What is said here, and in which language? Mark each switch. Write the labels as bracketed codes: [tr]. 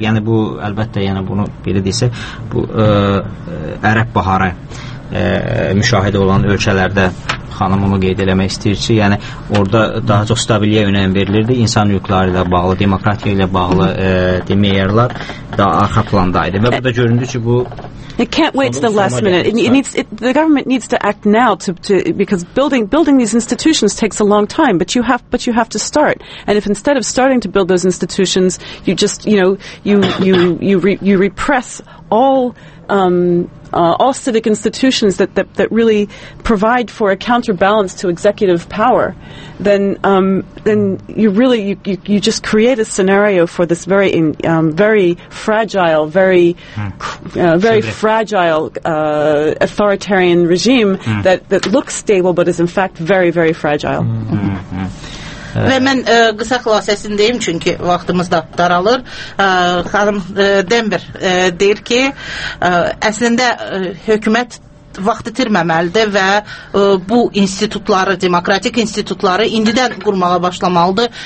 [az] Yəni bu əlbəttə yəni bunu belə desə bu Ərəb baharı müşahidə olan ölkələrdə xanım onu qeyd eləmək istəyir ki, yəni orada daha çox stabilliyə önəm verilirdi. İnsan hüquqları ilə bağlı, demokratiya ilə bağlı demeyərlər daha arxa plandaydı. Və bu da göründü ki, bu [en] it can't wait to the last minute. The government needs to act now because building these institutions takes a long time, but you have to start. And if instead of starting to build those institutions, you just, you know, you repress all civic institutions that really provide for a counterbalance to executive power, then you really just create a scenario for this very very fragile, very very fragile authoritarian regime that looks stable but is in fact very very fragile. [az] Və mən qısa xülasəsindeyim, çünki vaxtımız da daralır. Xanım Denver deyir ki, əslində hökumət vaxt itirməməlidir və bu institutları, demokratik institutları indidən qurmağa başlamalıdır.